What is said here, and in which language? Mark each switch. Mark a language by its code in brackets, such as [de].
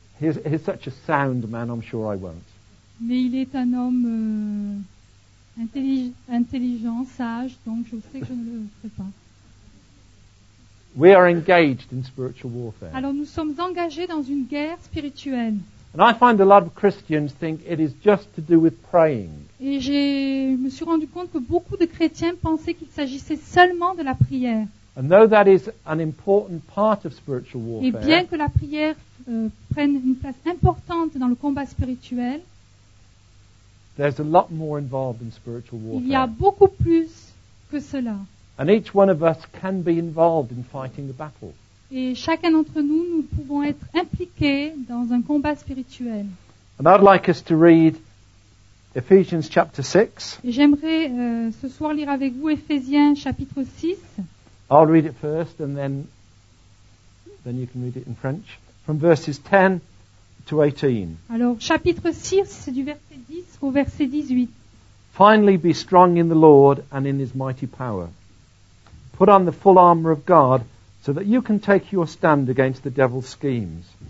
[en] He's such a sound man, I'm sure I won't. [fr] Mais il est un homme intelligent, sage, donc je sais que je ne le ferai pas. [en] We are engaged in spiritual warfare. [fr] Alors nous sommes engagés dans une guerre spirituelle. [en] And I find a lot of Christians think it is just to do with praying. [fr] Et je me suis rendu compte que beaucoup de chrétiens pensaient qu'il s'agissait seulement de la prière. [en] And though that is an important part of spiritual warfare. [fr] Et bien que la prière prennent une place importante dans le combat spirituel. [en] There's a lot more involved in spiritual warfare. [fr] Il y a beaucoup plus que cela. [en] And each one of us can be involved in fighting the battle. [fr] Et chacun d'entre nous, nous pouvons être impliqués dans un combat spirituel. [en] And I'd like us to read Ephesians chapter 6. [fr] Et j'aimerais ce soir lire avec vous Ephésiens chapitre 6. [en] I'll read it first and then you can read it in French. From verses 10 to 18. [fr] Alors, chapitre 6, du verset 10 au verset 18. [en] Finally, be strong in the Lord and in his mighty power. Put on the full armor of God so that you can take your stand against the devil's schemes.